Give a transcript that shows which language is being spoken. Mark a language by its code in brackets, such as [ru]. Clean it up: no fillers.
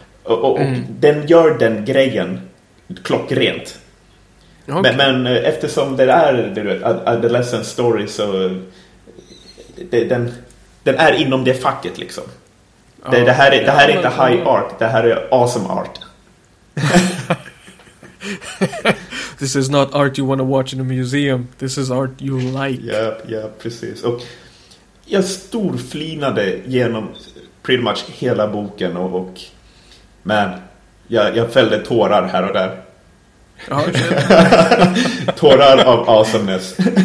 [sv] Och den gör den grejen klockrent. Okay. Men eftersom det är, du vet, adolescence story, så den är inom det facket liksom. Det här är inte high art, det här är awesome art. [en] This is not art you want to watch in a museum. This is art you like. [sv] Ja, ja, precis. Och jag storflinade genom [en] pretty much [sv] hela boken och men jag fällde tårar här och där. Ja, okay. Tårar av awesomeness.